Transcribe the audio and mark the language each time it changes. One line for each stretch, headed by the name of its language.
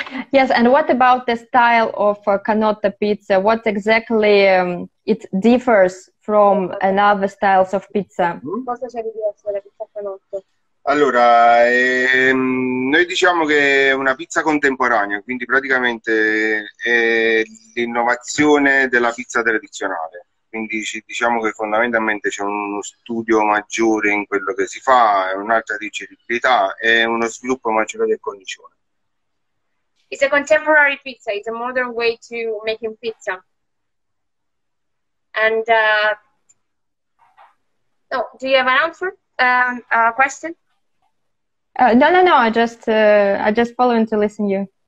English: Yes, and what about the style of Canotta pizza? What exactly it differs from another styles of pizza?
Italian: Cosa c'è di diverso dalla pizza canotto? Allora, noi diciamo che è una pizza contemporanea, quindi praticamente è l'innovazione della pizza tradizionale. Quindi diciamo che fondamentalmente c'è uno studio maggiore in quello che si fa, è un'alta ricettabilità e uno sviluppo maggiore del cornicione.
English: It's a contemporary pizza, it's a modern way to making pizza. And do you have an answer? Question? No, I just following to listen to you.